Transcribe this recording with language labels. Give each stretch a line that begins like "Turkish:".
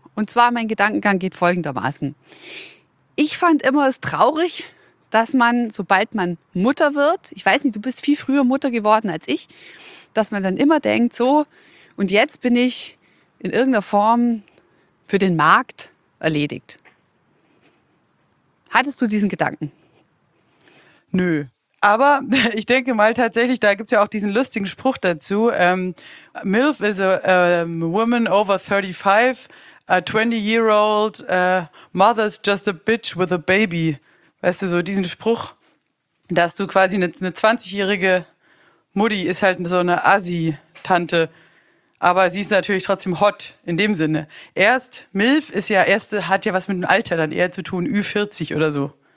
German: Und zwar, mein Gedankengang geht folgendermaßen. Ich fand immer es traurig, dass man, sobald man Mutter wird, ich weiß nicht, du bist viel früher Mutter geworden als ich, dass man dann immer denkt, so, und jetzt bin ich in irgendeiner Form für den Markt erledigt. Hattest du diesen Gedanken? Nö. Aber ich denke mal tatsächlich, da gibt es ja auch diesen lustigen Spruch dazu.
English: MILF is a woman over 35, a 20-year-old mother's just a bitch with a baby.
German: Weißt du, so diesen Spruch, dass du quasi eine 20-jährige Mutti ist halt so eine Assi-Tante. Aber sie ist natürlich trotzdem hot in dem Sinne. Erst MILF ist ja, erste hat ja was mit dem Alter dann eher zu tun, Ü40 oder so.